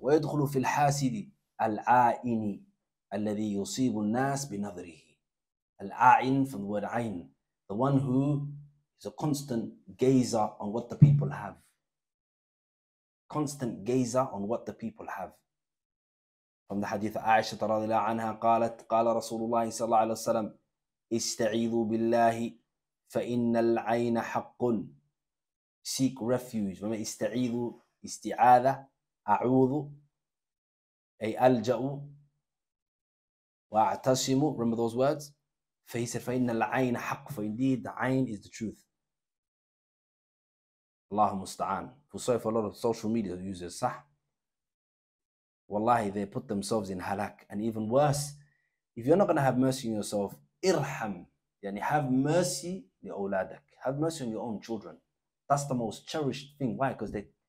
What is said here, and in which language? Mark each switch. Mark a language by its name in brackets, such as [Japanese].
[Arabic] وَيَدْخُلُ فِي الْحَاسِدِ الْعَائِنِ الَّذِي يُصِيبُ النَّاسِ بِنَظْرِهِ. [English] Al-a'in from the word ayn, the one who is a constant gazer on what the people have. Constant gazer on what the people have. From the hadith of Aisha radiallahu anha, [Arabic] قالت قال رسول الله صلى الله عليه وسلم استعيذوا بالله فإن العين حق. [English] Seek refuge. Remember, [Arabic] استعيذوا استعاذة أعوذ أي ألجأ وأعتصم. [English] Remember those words. [Arabic] فهي [English] said [Arabic] فإن العين حق. [English] For indeed the عين is the truth. [Arabic] الله مستعان. [English] We saw it for a lot of social media users. [Arabic] صح. [English] Wallahi, they put themselves in halak. And even worse, if you're not going to have mercy on yourself, [Arabic] irham, yani [English] have mercy [Arabic] li awladak, [English] have mercy on your own children. That's the most cherished thing. Why? Because they